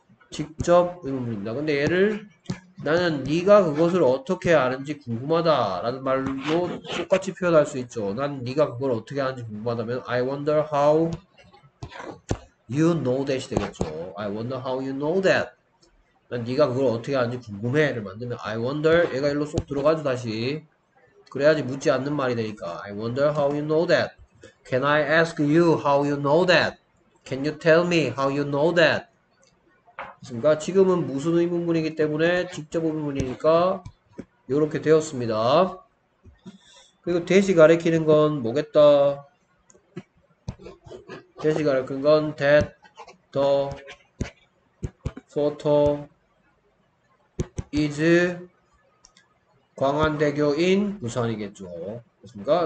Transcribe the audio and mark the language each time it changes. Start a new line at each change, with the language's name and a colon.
Korean: 직접 의문문입니다. 근데 얘를 나는 네가 그것을 어떻게 아는지 궁금하다라는 말로 똑같이 표현할 수 있죠. 난 네가 그걸 어떻게 아는지 궁금하다면
English: I wonder how You know that이
Korean: 되겠죠.
English: I wonder how you know that.
Korean: 난 네가 그걸 어떻게 아는지 궁금해를 만들면 I wonder 얘가 일로 쏙 들어가죠 다시. 그래야지 묻지 않는 말이 되니까
English: I wonder how you know that. Can I ask you how you know that? Can you tell me how you know that?
Korean: 그러니까 지금은 무슨 의문문이기 때문에 직접 의문문이니까 이렇게 되었습니다. 그리고 대시 가리키는 건 뭐겠다. 대시가를 끈건 that the photo is 광안대교인 부산이겠죠. 그렇습니까?